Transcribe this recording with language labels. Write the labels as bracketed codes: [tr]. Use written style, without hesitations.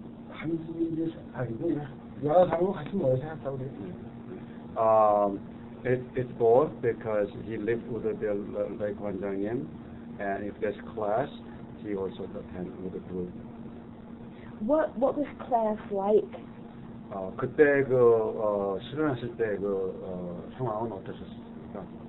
[ko] 한국인들 아니고 여러 사람과 같이 모여서 했다고 그랬어요. [en] It's both because he lived with the Lai Guanzhangin, and if there's class, he also attend with the group. What was class like? [ko] 그때 그 수련하실 때 그 상황은 어떠셨습니까?